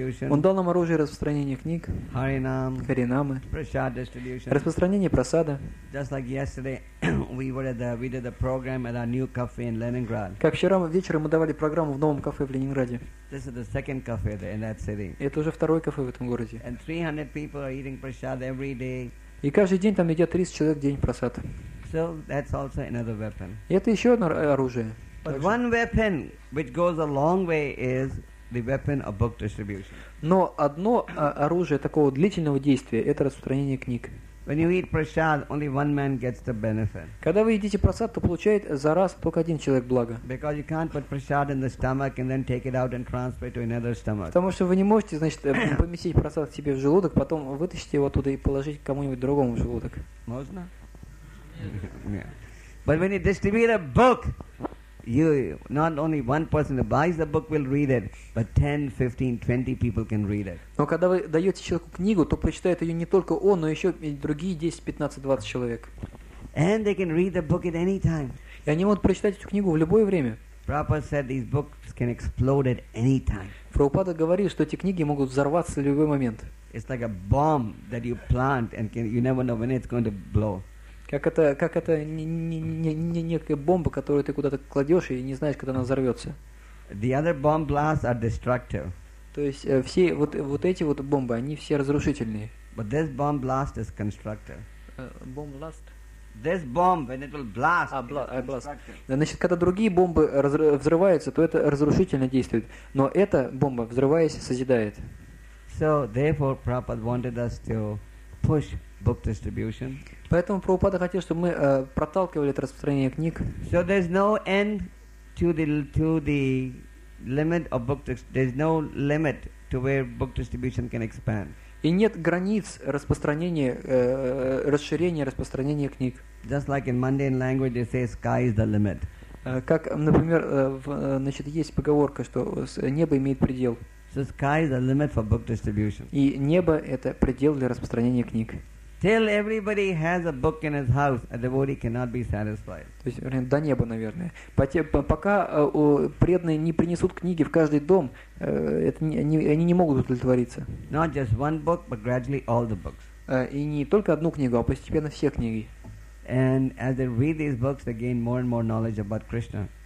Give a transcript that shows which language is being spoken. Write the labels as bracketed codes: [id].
[ru] Он дал нам оружие распространения книг, Харинам, Харинамы, [en] Прасад дистрибьюшн, [ru] распространение просада. [en] Just like yesterday, we did the program at our new cafe in Leningrad. [ru] Как вчера вечером мы давали программу в новом кафе в Ленинграде. [en] This is the second cafe in that city. [ru] Это уже второй кафе в этом городе. [en] And 300 people are eating prasad every day. [ru] И каждый день там едят 30 человек в день просад. [en] So that's also another weapon. [ru] И это еще одно оружие. [en] But one weapon which goes a long way is the weapon of book distribution. [ru] Но одно оружие такого длительного действия – это распространение книг. [en] When you eat prasad, only one man gets the benefit. [ru] Когда вы едите просад, то получает за раз только один человек благо. [en] Because you can't put prasad in the stomach and then take it out and transfer it to another stomach. [ru] Потому что вы не можете, значит, поместить просад себе в желудок, потом вытащить его оттуда и положить кому-нибудь другому в желудок. Можно? Yeah. [en] But when you distribute a book, you not only one person who buys the book will read it, but 10, 15, 20 people can read it. [ru] Но когда вы даете человеку книгу, то прочитает ее не только он, но еще и другие 10, 15, 20 человек. [en] And they can read the book at any time. [ru] И они могут прочитать эту книгу в любое время. [en] Prabhupada said these books can explode at any time. [ru] Прабхупада говорил, что эти книги могут взорваться в любой момент. [en] It's like a bomb that you plant and can, you never know when it's going to blow. [ru] Как это некая бомба, которую ты куда-то кладешь и не знаешь, когда она взорвется. [en] The other bomb blasts are destructive. [ru] То есть все вот эти вот бомбы, они все разрушительные. [en] But this bomb blast is constructive. Bomb blast? This bomb, when it will blast, Blast. [ru] Значит, когда другие бомбы взрываются, то это разрушительно действует. Но эта бомба, взрываясь, созидает. [en] So, therefore, Prabhupada wanted us to push book distribution. [ru] Поэтому Прабхупада хотел, чтобы мы проталкивали это распространение книг. [en] So there's no end to the limit of book distribution. There's no limit to where book distribution can expand. [ru] И нет границ распространения, расширения распространения книг. [en] Just like in mundane language, they say sky is the limit. [ru] Как, например, значит, есть поговорка, что небо имеет предел. [en] So sky is the limit for book distribution. [ru] И небо – это предел для распространения книг. [en] Till everybody has a book in his house, a devotee cannot be satisfied. [ru] То есть до неба, наверное. Пока преданные не принесут книги в каждый дом, они не могут удовлетвориться. [en] Not just one book, but gradually all the books. [ru] И не только одну книгу, а постепенно все книги. [en] And as they read these books, they gain more and more knowledge about Krishna.